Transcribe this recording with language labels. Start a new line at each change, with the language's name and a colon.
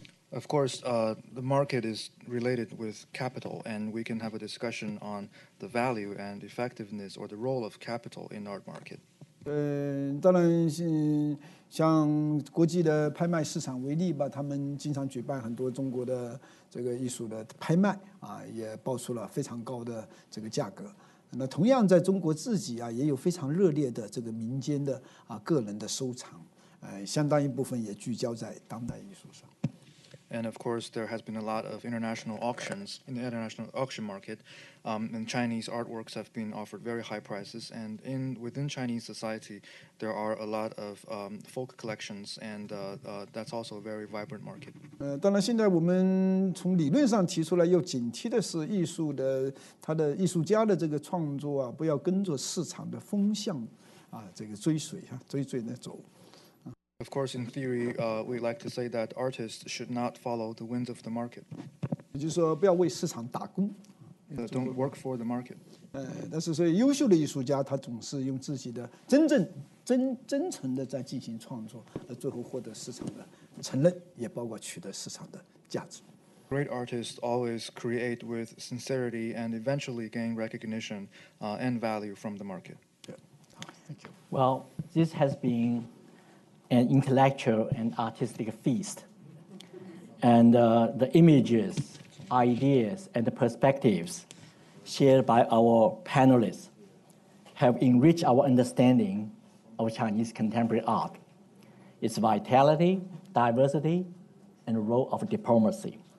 English: Of course, the market is related with capital, and we can have a discussion on the value and effectiveness or the role of capital in art market.
Chinese: 当然是。像国际的拍卖市场为例吧，他们经常举办很多中国的这个艺术的拍卖啊，也爆出了非常高的这个价格。那同样在中国自己啊，也有非常热烈的这个民间的啊个人的收藏，相当一部分也聚焦在当代艺术上。
English: And of course, there has been a lot of international auctions in the international auction market, and Chinese artworks have been offered very high prices. And within Chinese society, there are a lot of folk collections, and that's also a very vibrant market.
Chinese: 当然，现在我们从理论上提出来要警惕的是艺术的它的艺术家的这个创作啊，不要跟着市场的风向啊，这个追随啊，追随的走。
English: Of course, in theory, we like to say that artists should not follow the winds of the market.
Chinese: 也就是说，不要为市场打工。
English: Don't work for the market.
Chinese: 但是所以优秀的艺术家，他总是用自己的真诚的在进行创作，而最后获得市场的承认，也包括取得市场的价值。
English: Great artists always create with sincerity and eventually gain recognition and value from the market. Thank you. Well, this has been an intellectual and artistic feast. And the images, ideas, and the perspectives shared by our panelists have enriched our understanding of Chinese contemporary art, its vitality, diversity, and role of diplomacy.